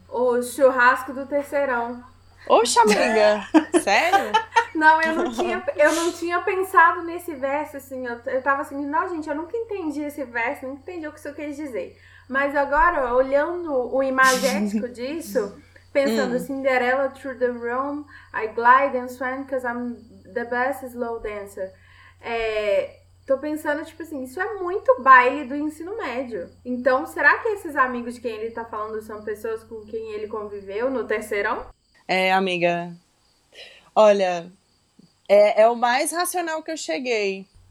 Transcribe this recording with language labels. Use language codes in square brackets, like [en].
[pt] O churrasco do terceirão. Oxe, amiga! Sério? Não, eu não tinha pensado nesse verso, assim. Eu tava assim, não, gente, eu nunca entendi esse verso, nunca entendi o que isso quis dizer. Mas agora, olhando o imagético disso... Pensando, [en] Cinderella through the room, I glide and swing because I'm the best slow dancer. [pt] É, tô pensando, tipo assim, isso é muito baile do ensino médio. Então, será que esses amigos de quem ele tá falando são pessoas com quem ele conviveu no terceirão? É, amiga. Olha, é o mais racional que eu cheguei.